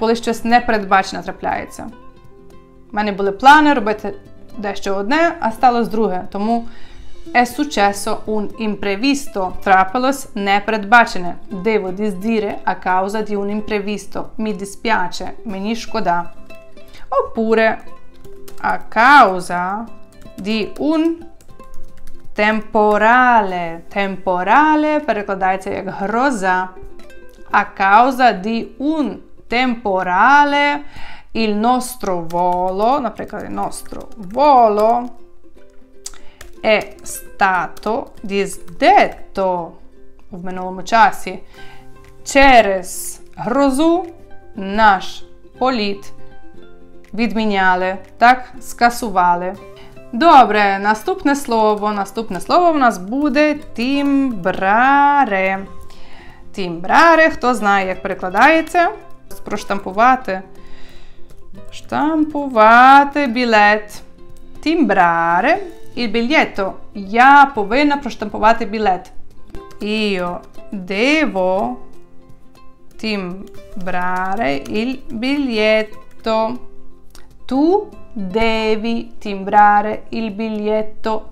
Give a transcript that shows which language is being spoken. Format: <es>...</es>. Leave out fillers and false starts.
<uk>Коли щось непередбачене трапляється. У мене були плани робити дещо одне, а сталося друге.</uk> <it>Тому è successo un imprevisto.</it> <uk>Трапилось непередбачене.</uk> <it>Devo disdire a causa di un imprevisto. Mi dispiace,</it> <uk>мені шкода.</uk> <it>Oppure a causa di un temporale.</it> <uk>Temporale перекладається як гроза.</uk> <it>A causa di un temporale il nostro volo, наприклад, il nostro volo è stato disdetto</it> <uk>в минулому часі. Через грозу наш політ відміняли, так? Скасували. Добре, наступне слово в нас буде тімбраре. тімбрари, хто знає, як перекладається, проштампувати. Штампувати білет. Тімбрари.</uk> <it>Il biglietto.</it> <uk>Я повинна проштампувати білет.</uk> <it>Io devo timbrare il biglietto. Tu devi timbrare il biglietto.</it>